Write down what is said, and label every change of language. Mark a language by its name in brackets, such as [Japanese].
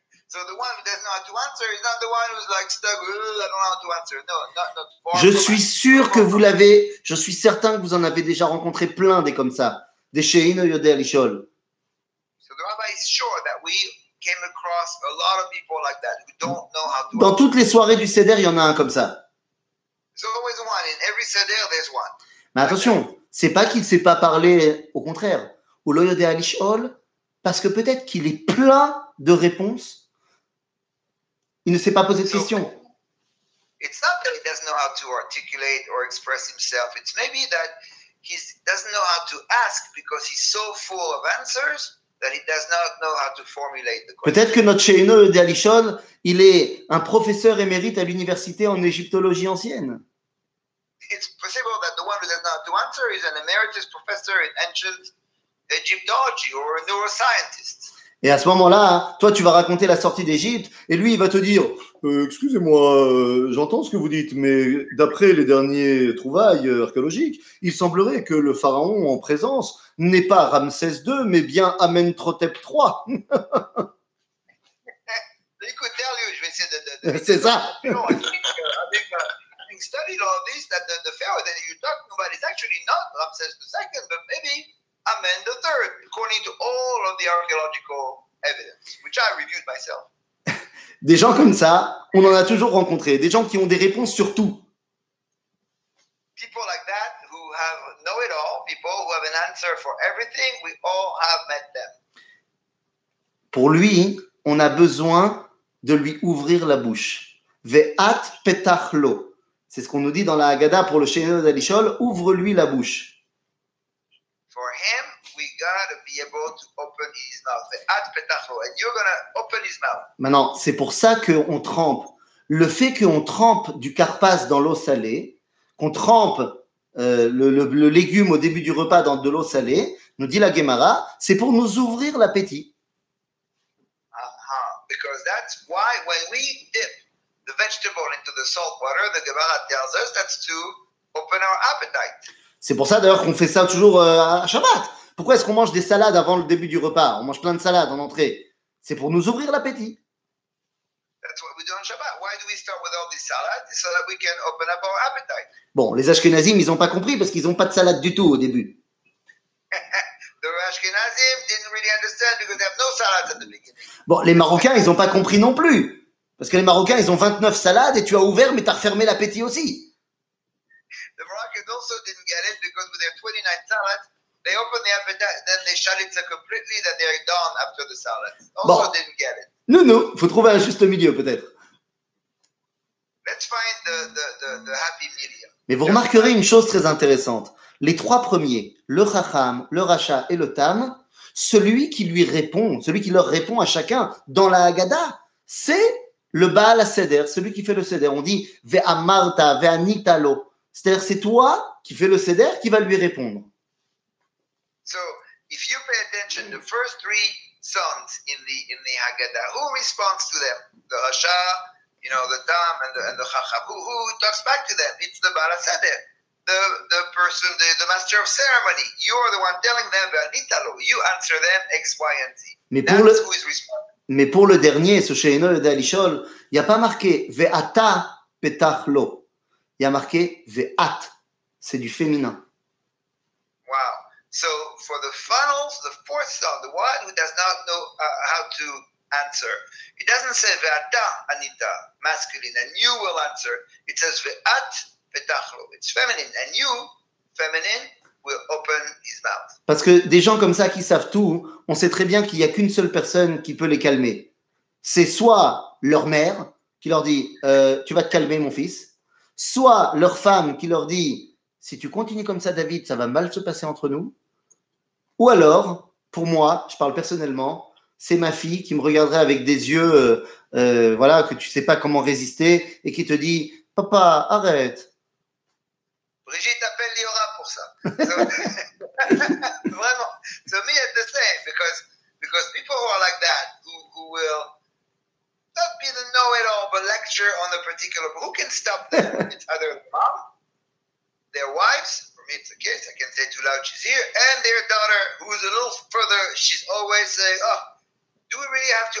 [English] So the one who doesn't know how to answer is not the one who's like stuck, I don't know how to answer. No, not for... [French] Je suis sûr que vous l'avez, je suis certain que vous en avez déjà rencontré plein des comme ça. [Hebrew] Des Sheino Yodea Lishol. [English] So the rabbi is sure that we came across a lot of people like that who don't know how to... [French] Dans toutes les soirées du Seder, il y en a un comme ça. [English] There's always one. In every Seder, there's one. [French] Mais attention, c'est pas qu'il ne sait pas parler, au contraire. [Hebrew] Ou lo yodea lishol, [French] parce que peut-être qu'il est plein de réponses. Il ne sait pas poser de questions. [English] It's not that he doesn't know how to articulate or express himself. It's maybe that he doesn't know how to ask because he's so full of answers that he does not know how to formulate the question. [French] Peut-être que notre Sheino Yodea Lishol, il est un professeur émérite à l'université en égyptologie ancienne. [English] It's possible that the one who does not know how to answer is an emeritus professor in ancient Egyptology or a neuroscientist. [French] Et à ce moment-là, toi, tu vas raconter la sortie d'Égypte et lui, il va te dire « Excusez-moi, j'entends ce que vous dites, mais d'après les derniers trouvailles archéologiques, il semblerait que le pharaon en présence n'est pas Ramsès II, mais bien Amenhotep III. » Il peut te dire, je vais essayer de... C'est ça. [English] Il studied all this, that the pharaoh that you're talking about is actually not Ramsès II, but maybe... Amen the third, according to all of the archaeological evidence, which I reviewed myself. [French] Des gens comme ça, on en a toujours rencontré. Des gens qui ont des réponses sur tout. [English] People like that who have know-it-all, people who have an answer for everything, we all have met them. [French] Pour lui, on a besoin de lui ouvrir la bouche. [Hebrew] Ve'at petach lo. [French] C'est ce qu'on nous dit dans la Haggadah pour le Sheinu Dalishol. Ouvre-lui la bouche. [English] For him, we gotta be able to open his mouth. [Hebrew] Ve'at petach lo. [English] And you're gonna open his mouth. [French] Maintenant, c'est pour ça qu'on trempe. Le fait qu'on trempe du carpas dans l'eau salée, qu'on trempe le légume au début du repas dans de l'eau salée, nous dit la Gemara, c'est pour nous ouvrir l'appétit. [English] Because that's why when we dip the vegetable into the salt water, the Gemara tells us that's to open our appetite. [French] C'est pour ça d'ailleurs qu'on fait ça toujours à Shabbat. Pourquoi est-ce qu'on mange des salades avant le début du repas? On mange plein de salades en entrée. C'est pour nous ouvrir l'appétit. [English] That's what we do on Shabbat. Why do we start with all these salads? So that we can open up our appetite. [French] Bon, les Ashkenazim, ils n'ont pas compris parce qu'ils n'ont pas de salade du tout au début. [English] The Ashkenazim didn't really understand because they have no salads at the beginning. [French] Bon, les Marocains, ils n'ont pas compris non plus. Parce que les Marocains, ils ont 29 salades et tu as ouvert, mais tu as refermé l'appétit aussi. [English] The Moroccans also didn't get it because with their 29 salads, they opened the appetite, then they shut it so completely that they're done after the salads. Also [French] bon. [English] Didn't get it. [French] Non, non, il faut trouver un juste milieu peut-être. [English] Let's find the happy medium. [French] Mais vous remarquerez une chose très intéressante. Les trois premiers, le Chacham, le Racha et le Tam, celui qui lui répond, celui qui leur répond à chacun dans la Haggadah, c'est le Baal HaSeder, celui qui fait le Seder. On dit « [Hebrew] Ve'amarta, ve'anitalo [French] ». C'est-à-dire, c'est toi qui fais le Seder qui va lui répondre. [English] So, if you pay attention, the first three sons in the Haggadah, who responds to them? The Racha, you know, the Tam and the Chacham. Who talks back to them? It's the Baal HaSeder. The master of ceremony, you are the one telling them, Italo. You answer them X, Y, and Z. [French] Mais pour [English] that's [French] le, [English] who is responsible. [French] Mais pour le dernier, ce Sheino de Alishol, il n'y a pas marqué [Hebrew] Ve'ata petach lo. [French] Il y a marqué Ve'at. C'est du féminin. [English] Wow. So for the final, the fourth son, the one who does not know how to answer, it doesn't say [Hebrew] Ve'ata Anita, [English] masculine, and you will answer. It says Ve'at. It's feminine, and you, feminine, will open his mouth. [French] Parce que des gens comme ça qui savent tout, on sait très bien qu'il n'y a qu'une seule personne qui peut les calmer. C'est soit leur mère qui leur dit « Tu vas te calmer, mon fils », soit leur femme qui leur dit « Si tu continues comme ça, David, ça va mal se passer entre nous », ou alors, pour moi, je parle personnellement, c'est ma fille qui me regarderait avec des yeux voilà, que tu ne sais pas comment résister et qui te dit « Papa, arrête. Brigitte appelle Liora pour ça. So, vraiment. [English] So me it's the same because people who are like that who will not be the know-it-all but lecture on a particular. Who can stop them? It's either the mom, their wives. For me, it's the case. I can say too loud. She's here, and their daughter, who's a little further. She's always saying, "Oh, do we really have to?